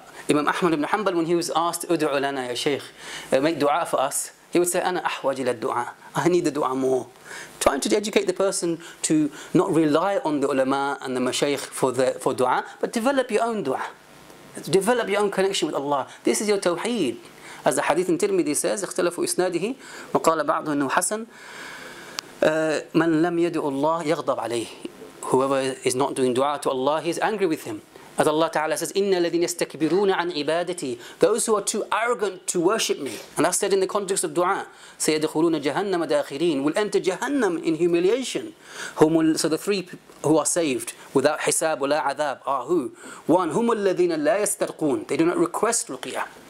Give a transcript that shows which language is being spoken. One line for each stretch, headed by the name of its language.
English: Imam Ahmad ibn Hanbal, when he was asked,
Arabic: udu'u lana ya shaykh,
English: make dua for us, he would say,
Arabic: ana ahwaj ila dua,
English: I need the dua more. Trying to educate the person to not rely on the ulama and the mashaykh for dua, but develop your own dua. Develop your own connection with Allah. This is your tawheed. As the hadith in Tirmidhi says,
Arabic: اختلفوا إسناده وقال بعضه أنه حسن من لم يدعو الله يغضب عليه.
English: Whoever is not doing dua to Allah, he is angry with him. As Allah Ta'ala says,
Arabic: إِنَّ الَّذِينَ يَسْتَكْبِرُونَ عَنْ عِبَادَتِي.
English: Those who are too arrogant to worship me. And that's said in the context of dua.
Arabic: سَيَدْخُلُونَ جَهَنَّمَ دَاخِرِينَ.
English: Will enter Jahannam in humiliation. So the three who are saved without
Arabic: حساب ولا عذاب
English: are who? One,
Arabic: هُمُ الَّذِينَ لَا يَسْتَرْقُونَ.
English: They do not request ruqya.